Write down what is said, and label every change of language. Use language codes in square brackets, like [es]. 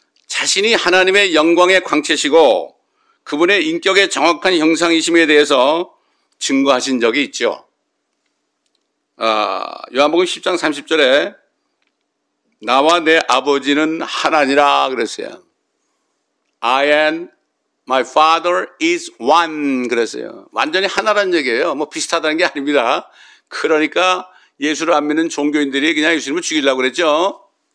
[ko] 자신이 하나님의 영광의 광채시고 그분의 인격의 정확한 형상이심에 대해서 증거하신 적이 있죠. 요한복음 10장 30절에 나와 내 아버지는 하나니라 그랬어요. [en] I and My Father is one [ko] 그랬어요. 완전히 하나라는 얘기예요. 뭐 비슷하다는 게 아닙니다. 그러니까 예수를 안 믿는 종교인들이 그냥 예수님을 죽이려고 그랬죠.